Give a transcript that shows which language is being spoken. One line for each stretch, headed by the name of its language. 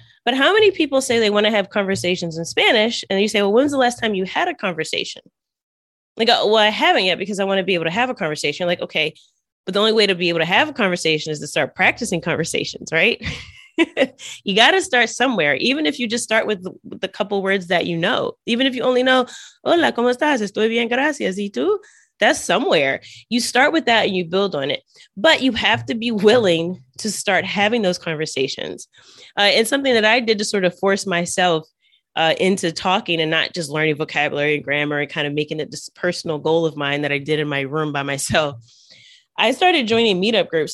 English: But how many people say they want to have conversations in Spanish? And you say, well, when's the last time you had a conversation? Like, oh, well, I haven't yet because I want to be able to have a conversation. Like, okay, but the only way to be able to have a conversation is to start practicing conversations, right? You got to start somewhere, even if you just start with the couple words that you know. Even if you only know,
Spanish: hola, ¿cómo estás? Estoy bien, gracias. ¿Y tú?
English: That's somewhere. You start with that and you build on it. But you have to be willing to start having those conversations. And something that I did to sort of force myself into talking and not just learning vocabulary and grammar and kind of making it this personal goal of mine that I did in my room by myself, I started joining meetup groups.